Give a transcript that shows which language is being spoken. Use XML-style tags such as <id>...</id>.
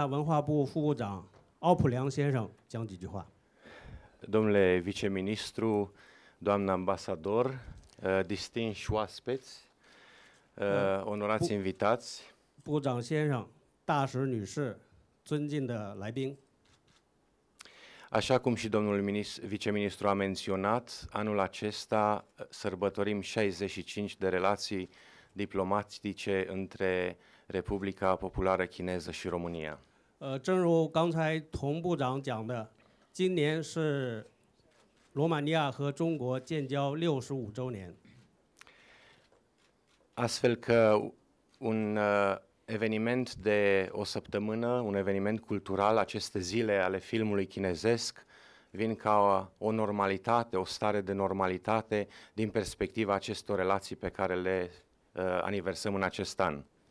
<zh>现在我们请罗马尼亚文化部副部长奥普良先生讲几句话。</zh> <ro>Domnule viceministru, doamnă ambasador, distinși oaspeți, onorați invitați.</ro> <zh>部长先生，大使女士，尊敬的来宾。</zh> <ro>Așa cum și domnul viceministru a menționat, anul acesta sărbătorim 65 de relații diplomatice între Republica Populară Chineză și România.</ro> <zh>正如刚才童部长讲的，今年是罗马尼亚和中国建交65周年。</zh> <ro>Astfel că un eveniment de o săptămână, un eveniment cultural, aceste zile ale filmului chinezesc vin ca o normalitate, o stare de normalitate din perspectiva acestor relații pe care le aniversăm în acest an.</ro>